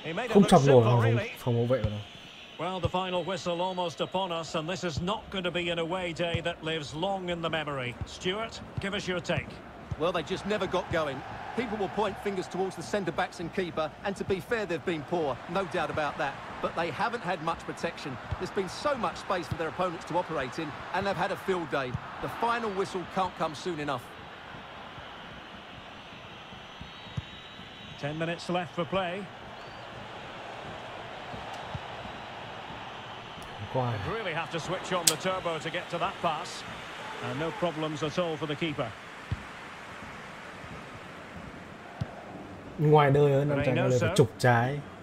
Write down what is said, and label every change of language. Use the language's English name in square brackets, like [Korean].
[Vietnamese] Không chọc nổi vào phòng hậu vệ của nó. [English] Well, the final whistle almost upon us, and this is not going to be an away day that lives long in the memory. Stuart, give us your take. Well, they just never got going. People will point fingers towards the centre backs and keeper, and to be fair, they've been poor, no doubt about that. But they haven't had much protection. There's been so much space for their opponents to operate in, and they've had a field day. The final whistle can't come soon enough. 10 minutes left for play. Quiet. Really have to switch on the turbo to get to that pass. And no problems at all for the keeper. [Vietnamese] Ngoài đời ơi, năm trái ngoài đời phải chụp trái.